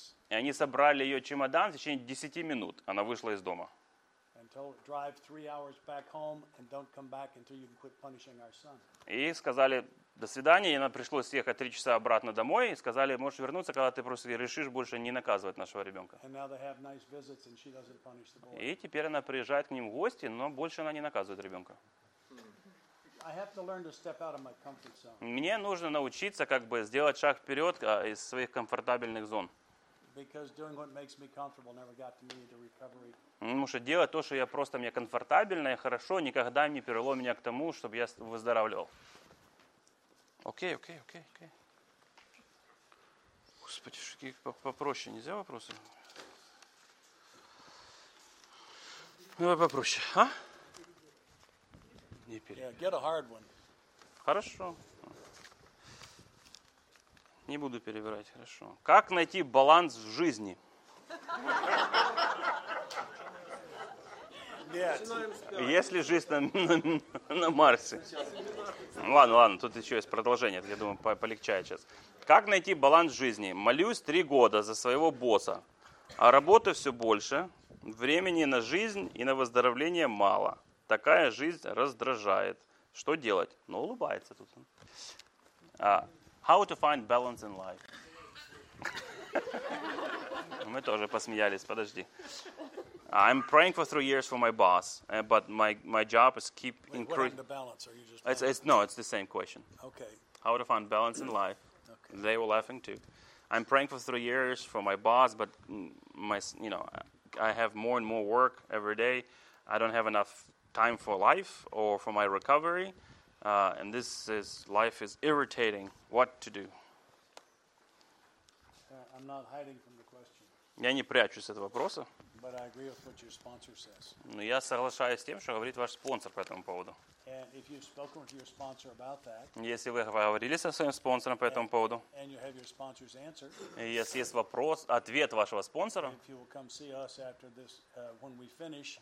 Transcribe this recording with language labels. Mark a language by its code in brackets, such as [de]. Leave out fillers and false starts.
[ru] И они собрали ее чемодан в течение 10 минут. Она вышла из дома. [en] Drive 3 hours back home and don't come back until you can quit punishing our son. [ru] И сказали до свидания, и нам пришлось ехать 3 часа обратно домой. И сказали, можешь вернуться, когда ты просто решишь больше не наказывать нашего ребенка. [en] And now they have nice visits, and she doesn't punish the boy. [ru] И теперь она приезжает к ним в гости, но больше она не наказывает ребенка. [en] I have to learn to step out of my comfort zone. [ru] Мне нужно научиться, как бы сделать шаг вперед из своих комфортабельных зон. [en] Because doing what makes me comfortable never got to me into recovery. [ru] Потому что делать то, что я просто мне комфортабельно и хорошо, никогда не привело меня к тому, чтобы я выздоравливал. Окей. Господи, какие попроще, нельзя вопросы? Давай попроще, а? Не перебивай. [en] Yeah, get a hard one. [ru] Хорошо. Не буду перебирать, хорошо. Как найти баланс в жизни? Нет. Если жизнь на Марсе. Ладно, тут еще есть продолжение, я думаю, полегчает сейчас. Как найти баланс жизни? Молюсь 3 года за своего босса, а работы все больше, времени на жизнь и на выздоровление мало. Такая жизнь раздражает. Что делать? Ну, улыбается тут. [en] How to find balance in life? [ru] Мы тоже посмеялись, подожди. [en] I'm praying for 3 years for my boss, but my job is keep increasing. What happened to balance? Are you just no, it's the same question. Okay. How to find balance in life? Okay. They were laughing too. I'm praying for 3 years for my boss, but I have more and more work every day. I don't have enough time for life or for my recovery, and this is life is irritating. What to do? I'm not hiding from the question. [ru] Я не прячусь от вопроса. [en] But I agree with what your sponsor says. [ru] Но я соглашаюсь с тем, что говорит ваш спонсор по этому поводу. [en] And if you've spoken with your sponsor about that, [ru] если вы говорили со своим спонсором по этому поводу, [en] and you have your sponsor's answer, [ru] и если есть вопрос, ответ вашего спонсора, [en] if you will come see us after this, when we finish,